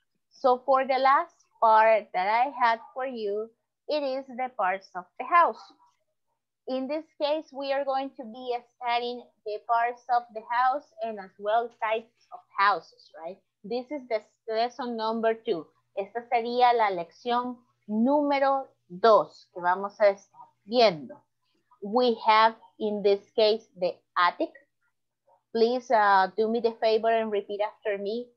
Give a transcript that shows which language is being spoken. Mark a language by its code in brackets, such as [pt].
[en] So for the last part that I had for you, it is the parts of the house. In this case, we are going to be studying the parts of the house and as well types of houses, right? This is the lesson number two. [es] Esta sería la lección número dos que vamos a estar viendo. [en] We have, in this case, the attic. Please do me the favor and repeat after me.